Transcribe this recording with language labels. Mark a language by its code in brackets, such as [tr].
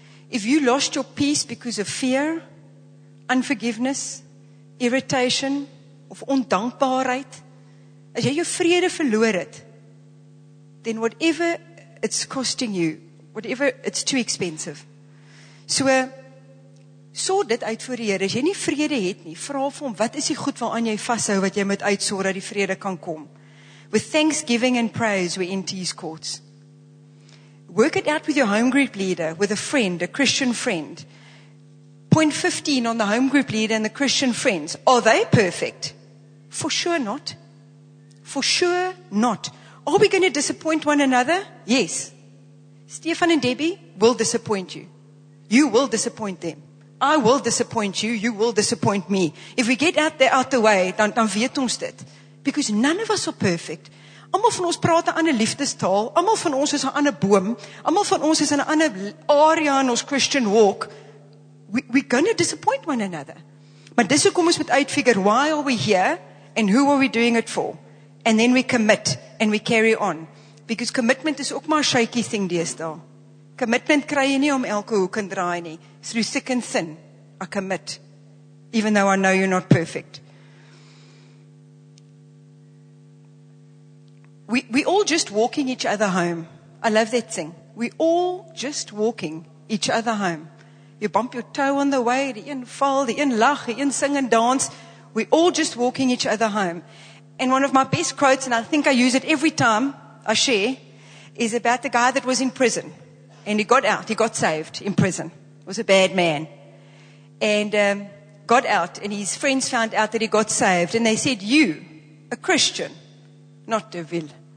[en] If you lost your peace because of fear, unforgiveness, irritation, [af] of ondankbaarheid, as jy jou vrede verloor het, [en] then whatever it's costing you, whatever, it's too expensive. [af] So, sort dit uit voor die Here. As jy nie vrede het nie, vra vir hom, wat is die goed waaraan jy vashou, wat jy moet uitsort, dat die vrede kan kom. [en] With thanksgiving and praise, we enter his courts. Work it out with your home group leader, with a friend, a Christian friend. Point 15 on the home group leader and the Christian friends. Are they perfect? For sure not. For sure not. Are we going to disappoint one another? Yes. Stefan and Debbie will disappoint you. You will disappoint them. I will disappoint you. You will disappoint me. If we get out there out the way, [af] dan weet ons dit. [en] Because none of us are perfect. [af] Almal van ons praat 'n ander liefdestaal. Almal van ons is 'n ander boom. Almal van ons is in 'n ander area in ons Christian walk. We're going to disappoint one another. Maar dis hoekom ons moet uitfigure, [en] why are we here and who are we doing it for? And then we commit and we carry on. Because commitment is [af] ook maar [en] a shaky thing [af] deesdae. Commitment kry jy nie om elke hoek en draai nie. [en] Through thick and thin, I commit. Even though I know you're not perfect. We all just walking each other home. I love that thing. We all just walking each other home. You bump your toe on the way, [af] die een val, die een lach, die een [en] sing and dance. We all just walking each other home. And one of my best quotes, and I think I use it every time I share, is about the guy that was in prison. And he got out. He got saved in prison. He was a bad man. And got out. And his friends found out that he got saved. And they said, you, a Christian, not Deville.